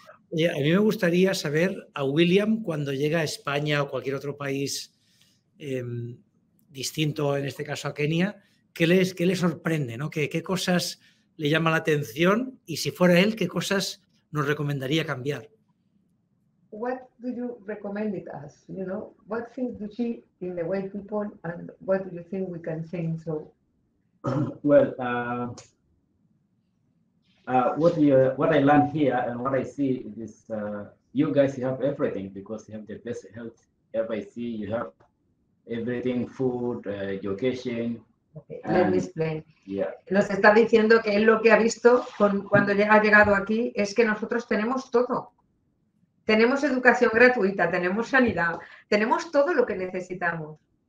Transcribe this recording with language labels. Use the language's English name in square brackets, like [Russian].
[Spanish] Y a mí me gustaría saber, a William, cuando llega a España o cualquier otro país distinto, en este caso a Kenia, ¿qué les sorprende, ¿no? ¿Qué cosas le llama la atención? Y si fuera él, ¿qué cosas nos recomendaría cambiar? [English] What do you recommend it as? You know, what things do you see in the way people and what do you think we can change? So, well, what I learned here and what I see is you guys, you have everything because you have the best health ever. I see you have everything, food, education. Okay, let me explain. Yeah. [Spanish] Nos está diciendo que él lo que ha visto cuando ha llegado aquí es que nosotros tenemos todo. Tenemos educación gratuita, tenemos sanidad, tenemos todo lo que necesitamos.